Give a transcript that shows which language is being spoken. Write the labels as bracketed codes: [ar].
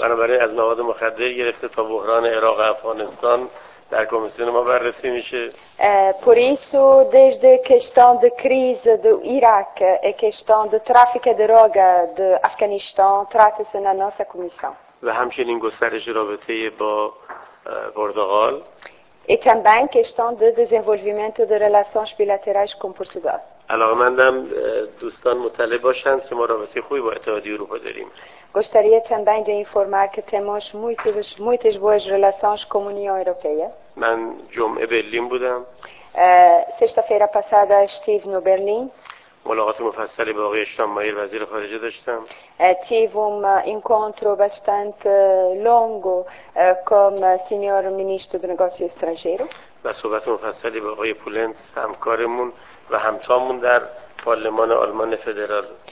[fa] بنابراین از مواد مخدر گرفته تا بحران عراق و افغانستان در کمیسیون ما بررسی میشه. [pt] Por isso, desde a questão de crise do Iraque, a questão de tráfico de droga do Afeganistão, trata-se na nossa comissão. [fa] و همچنین گسترش رابطه با پرتغال. [pt] E também a questão de desenvolvimento de relações bilaterais com Portugal. [fa] علاقمندم دوستان مطلع باشند که ما رابطه خوبی با اتحادیه اروپا داریم. [pt] Gostaria também de informar que temos muitas boas relações com a União Europeia. [fa] من جمعه برلین بودم. [pt] Sexta-feira passada estive no Berlim. [fa] ملاقات مفصلی با آقای اشتانمایل وزیر خارجه داشتم. [pt] Tive um encontro bastante longo com o senhor ministro do negócio estrangeiro. [fa] و صحبت مفصلی با آقای پولنس، همکارمون و همتامون در پارلمان آلمان فدرال.